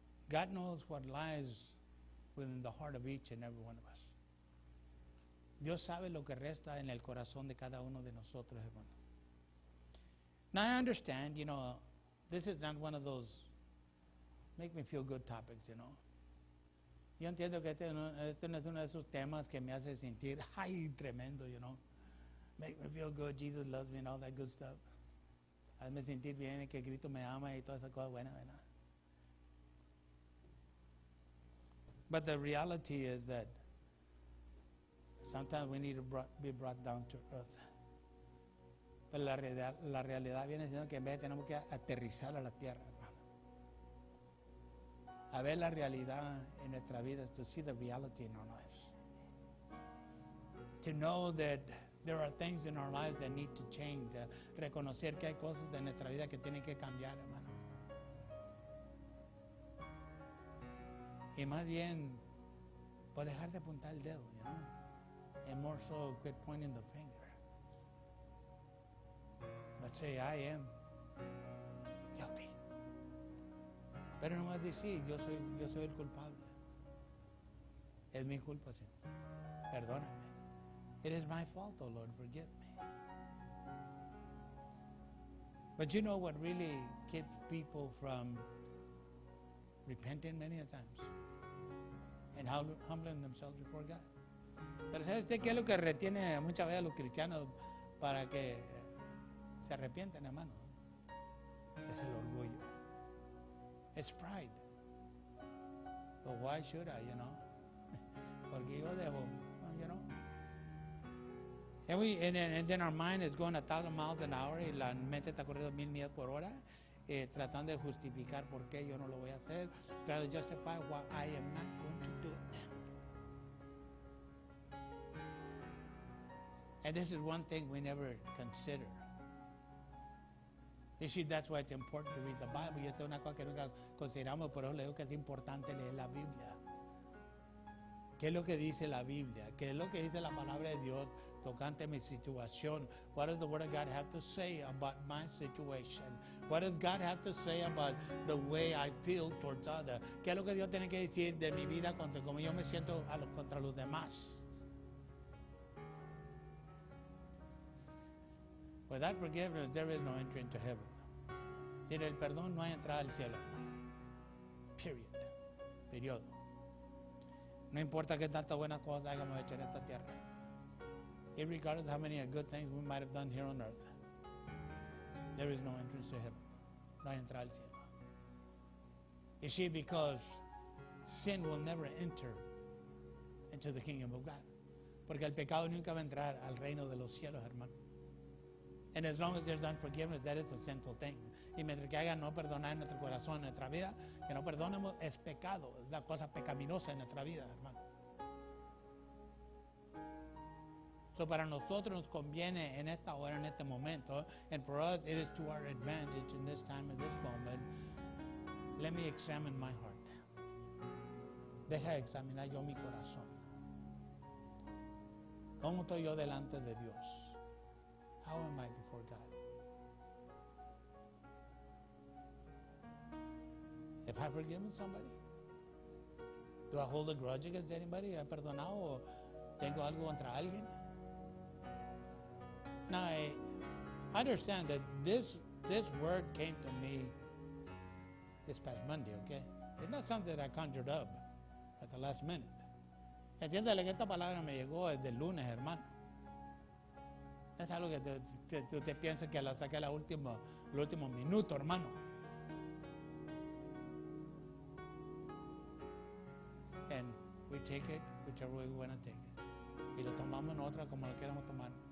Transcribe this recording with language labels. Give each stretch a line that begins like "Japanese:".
English: God knows what lies within the heart of each and every one of us.
Spanish: Dios sabe lo que resta en el corazón de cada uno de nosotros, hermano.
English: Now I understand, you know, this is not one of those make me feel good topics, you know.
Spanish: Yo entiendo que este no es uno de esos temas que me hace sentir, ay, tremendo,
English: you know. Make me feel good, Jesus loves me and all that good stuff.
Spanish: Hazme sentir bien que Cristo me ama y toda esa cosa buena, ¿verdad?
English: But the reality is that sometimes we need to be brought down to earth.
Spanish: Pero la realidad viene siendo que en vez tenemos que aterrizar a la tierra, hermano. A ver la realidad en nuestra vida,
English: to see the reality in our lives. To know that there are things in our lives that need to change.
Spanish: To reconocer que hay cosas de nuestra vida que tienen que cambiar, hermano. Y más bien, pues dejar de apuntar el dedo,
English: you know. And more so, quit pointing the finger. But say, I am guilty.
Spanish: Pero no más decir, yo soy el culpable. Es mi culpa, Señor. Perdóname.
English: It is my fault, oh Lord, forgive me. But you know what really keeps people from repenting many a times? And humbling themselves before God.
Spanish: Pero ¿sabe usted qué es lo que retiene muchas veces a los cristianos para que se arrepienten, hermano? Es el orgullo.
English: It's pride. But why should I, you know?
Spanish: Porque yo debo,
English: you know? And then our mind is going 1,000 miles an hour
Spanish: y la mente está corriendo 1,000 millas por hora. Tratando de justificar por qué yo no lo voy a hacer,
English: trying to justify why I am not going to do it. And this is one thing we never consider. You see, that's why it's important to read the Bible.
Spanish: Y esta es una cosa que nunca consideramos, por eso le digo que es importante leer la Biblia. ¿Qué es lo que dice la Biblia? ¿Qué es lo que dice la palabra de Dios tocante a mi situación?
English: What does the word of God have to say about my situation? What does God have to say about the way I feel towards others?
Spanish: ¿Qué es lo que Dios tiene que decir de mi vida contra cómo yo me siento contra los demás?
English: Without forgiveness, there is no entry into heaven.
Spanish: Sin el perdón no hay entrada al cielo. Period. Periodo. No importa que tantas buenas cosas hayamos hecho en esta tierra.
English: It regardless of how many good things we might have done here on earth, there is no entrance to heaven.
Spanish: No hay entrada al cielo.
English: You see, because sin will never enter into the kingdom of God.
Spanish: Porque el pecado nunca va a entrar al reino de los cielos, hermano.
English: And as long as there's unforgiveness, that is a sinful thing.
Spanish: Y mientras que haya no perdonar en nuestro corazón, en nuestra vida, que no perdonemos, es pecado. Es la cosa pecaminosa en nuestra vida, hermano.
English: So
Spanish: para nosotros nos conviene en esta hora, en este momento,
English: and for us, it is to our advantage in this time, in this moment, let me examine my heart.
Spanish: Deja examinar yo mi corazón. ¿Cómo estoy yo delante de Dios?
English: How am I before God? If I've forgiven somebody, do I hold a grudge against anybody?
Spanish: ¿He perdonado o tengo algo contra alguien?
English: Now, I understand that this word came to me this past Monday, okay? It's not something that I conjured up at the last minute.
Spanish: Entiéndale que esta palabra me llegó desde el lunes, hermano. Es algo que usted piensa que la saqué el último minuto, hermano.
English: And we take it whichever way we want to take it.
Spanish: Y lo tomamos en otra como lo queremos tomar.